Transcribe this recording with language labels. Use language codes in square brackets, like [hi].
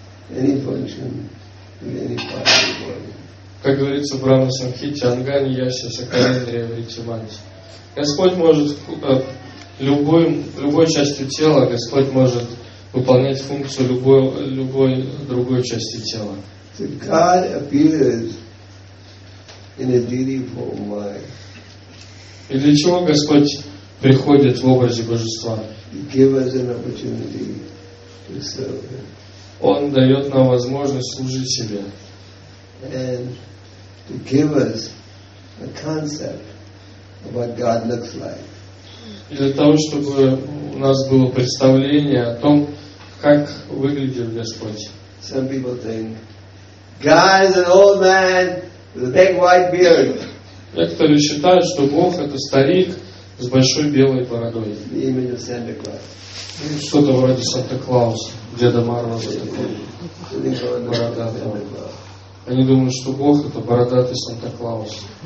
[en] Any function with any part of the body. [ru] Как говорится в Брахма Санхите, [sa] Ангани Яся Сакалендрия Вритиманти. [ru] Господь может любой частью тела, Господь может выполнять функцию любой другой части тела. [en] So God appears in a deity form. Why? [ru] И для чего Господь приходит в образе Божества? [en] He gives us an opportunity to serve Him. [ru] Он дает нам возможность служить себе. [en] And to give us a concept of what God looks like. [ru] И для того, чтобы у нас было представление о том, как выглядит Господь. [en] Some people think God is an old man with a big white beard. [ru] Некоторые считают, что Бог это старик с большой белой бородой. [en] The image of Santa Claus. [ru] Что-то вроде Санта-Клауса. Деда Мороза такой бородатый. Они думают, что Бог это бородатый Санта-Клаус.